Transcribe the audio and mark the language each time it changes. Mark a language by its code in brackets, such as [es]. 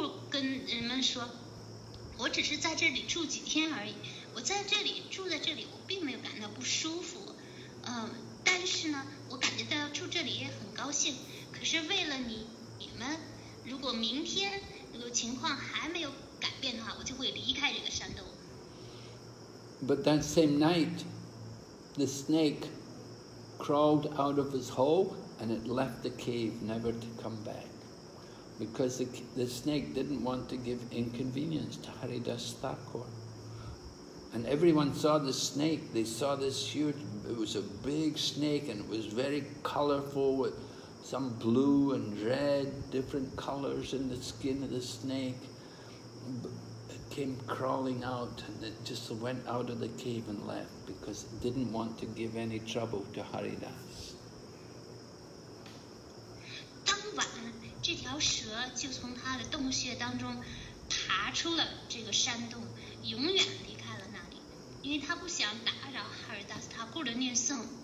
[zh] 跟人们说，我只是在这里住几天而已，我在这里住在这里，我并没有感到不舒服，但是呢，我感觉到住这里也很高兴。可是为了你们，如果明天这个情况还没有改变的话，我就会离开这个山洞。 [en] But that same night, the snake crawled out of his hole and it left the cave, never to come back, because the snake didn't want to give inconvenience to Haridas Thakur. And everyone saw the snake. They saw this huge, it was a big snake and it was very colorful, with some blue and red, different colors in the skin of the snake. It came crawling out and it just went out of the cave and left because it didn't want to give any trouble to Haridas. [zh] 当晚，这条蛇就从它的洞穴当中爬出了这个山洞，永远离开了那里，因为它不想打扰哈尔达斯塔库的念诵。